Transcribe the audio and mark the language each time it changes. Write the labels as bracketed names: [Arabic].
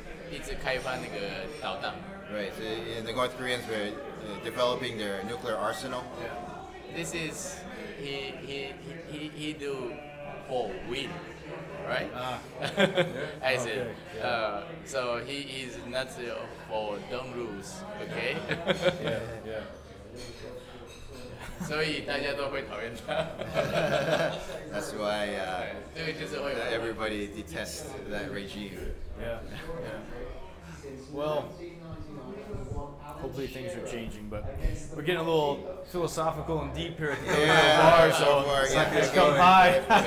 [Chinese] 北朝，那个朝鲜，北朝，朝鲜，北朝， the North Korean，北朝一直开发那个导弹。Right, [English] the North Koreans were developing their nuclear arsenal. This is he do for win, right? I said, so he is not for dumb rules, okay? Yeah. [Chinese] 所以大家都会讨厌他。That's [English] why everybody detests that regime. Yeah. Well, hopefully things are changing, but we're getting a little philosophical and deep here at the bar, so it's like it's going high.